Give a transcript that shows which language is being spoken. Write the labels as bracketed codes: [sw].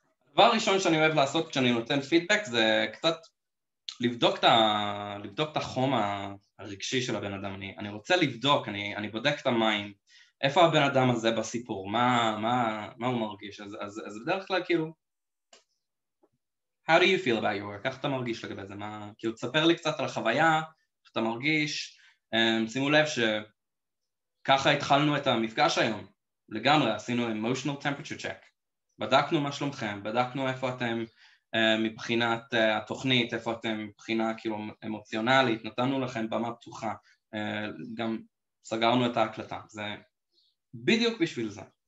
[he] הדבר הראשון שאני אוהב לעשות כשאני נותן פידבק זה קצת לבדוק את החום הרגשי של הבן אדם. אני רוצה לבדוק, אני בודק את המים, איפה הבן אדם הזה בסיפור, מה הוא מרגיש. אז בדרך כלל כאילו, [en] how do you feel about your work? [he] איך אתה מרגיש לגבי זה? כאילו, תספר לי קצת על החוויה, איך אתה מרגיש. שימו לב שככה התחלנו את המפגש היום, לגמרי, עשינו [en] emotional temperature check. [he] בדקנו מה שלומכם, בדקנו איפה אתם, מבחינת התוכנית, איפה אתם מבחינה כאילו אמוציונלית, נתנו לכם במה פתוחה, גם סגרנו את ההקלטה, זה בדיוק בשביל זה.